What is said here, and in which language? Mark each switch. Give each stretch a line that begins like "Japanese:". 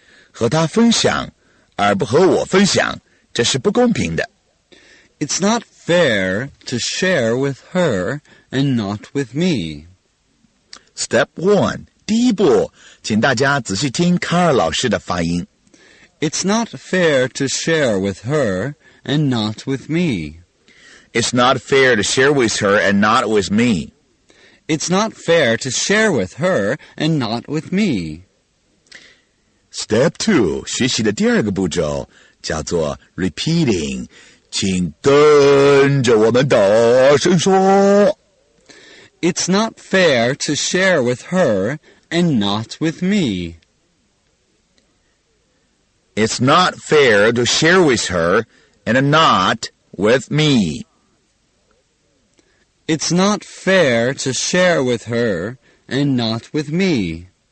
Chinese: 和他分享而不和我分享，这是不公平的。
English: It's not fair to share with her and not with me. Step one.
Chinese: 第一步，请大家仔细听卡尔老师的发音。
English: It's not fair to share with her and not with me. It's not fair to share with her and not with me. It's not fair to share with her and not with me. Step 2,
Chinese: 学习的第二个步骤, 叫做 repeating, 请跟着我们大声说。
English: It's not fair to share with her and not with me. It's not fair to share with her and not with me. It's not fair to share with her and not with me.